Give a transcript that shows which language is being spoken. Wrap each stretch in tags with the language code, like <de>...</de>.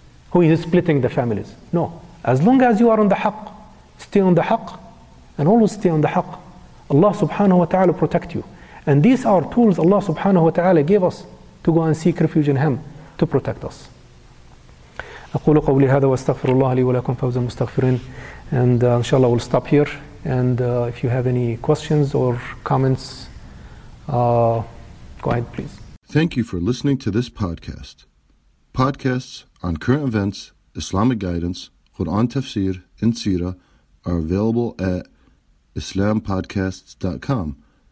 <en>Who is splitting the families? No. As long as you are on the haqq, stay on the haqq, and always stay on the haqq. Allah subhanahu wa ta'ala protect you. And these are tools Allah subhanahu wa ta'ala gave us to go and seek refuge in Him to protect us.</en> <ar>أقول قولي هذا واستغفر الله لي ولكم فوز المستغفرين.</ar> <en>And inshallah we'll stop here. And if you have any questions or comments, go ahead please. Thank you for listening to this podcast. Podcasts on current events, Islamic guidance, Quran tafsir, and Sira are available at islampodcasts.com.</en>